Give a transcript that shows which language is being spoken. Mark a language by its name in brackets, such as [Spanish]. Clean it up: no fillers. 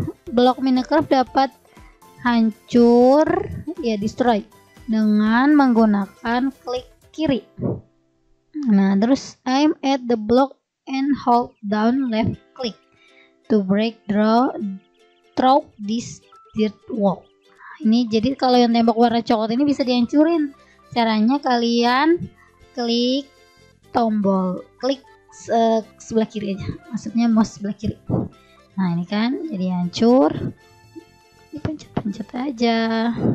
[Indonesian] Blok Minecraft dapat hancur, ya destroy, dengan menggunakan klik kiri. Nah, terus [English] aim at the block and hold down left click to break through this dirt wall. [Indonesian] Ini jadi kalau yang tembok warna coklat ini bisa dihancurin. Caranya kalian klik tombol, klik sebelah kiri aja, maksudnya mouse sebelah kiri. Nah, ini kan jadi hancur. Dipencet-pencet aja.